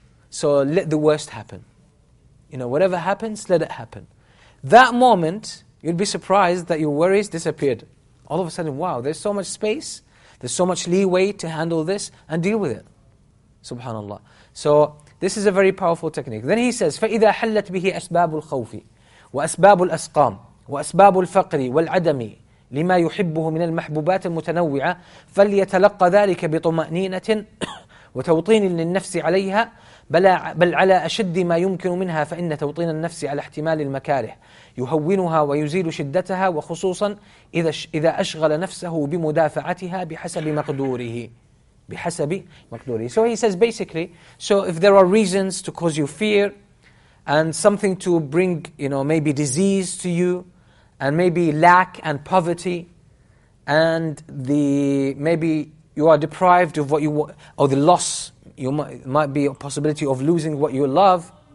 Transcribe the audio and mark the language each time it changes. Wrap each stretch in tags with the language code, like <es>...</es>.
<en>So let the worst happen. You know, whatever happens, let it happen. That moment, you'd be surprised that your worries disappeared. All of a sudden, wow, there's so much space, there's so much leeway to handle this and deal with it. Subhanallah. So this is a very powerful technique. Then he says,</en> <ar>فَإِذَا حَلَّتْ بِهِ أَسْبَابُ الْخَوْفِ وَأَسْبَابُ الْأَسْقَامِ وَأَسْبَابُ الْفَقْرِ وَالْعَدَمِ لِمَا يُحِبُّهُ مِنَ الْمَحْبُوبَاتِ الْمُتَنَوِّعَةِ فَلْيَتَلَقَّ ذَلِكَ بِطُمَأْنِينَةٍ وَتَوْطِينٍ لِلنَّفْسِ عَلَيْهَا بل على أشد ما يمكن منها فإن توطين النفس على احتمال المكاره يهونها ويزيل شدتها وخصوصا إذا أشغل نفسه بمدافعتها بحسب مقدوره بحسب مقدوره.</ar> <en>So he says basically, so if there are reasons to cause you fear and something to bring, you know, maybe disease to you and maybe lack and poverty and maybe you are deprived of what you want, or the loss, you might be a possibility of losing what you love.</en>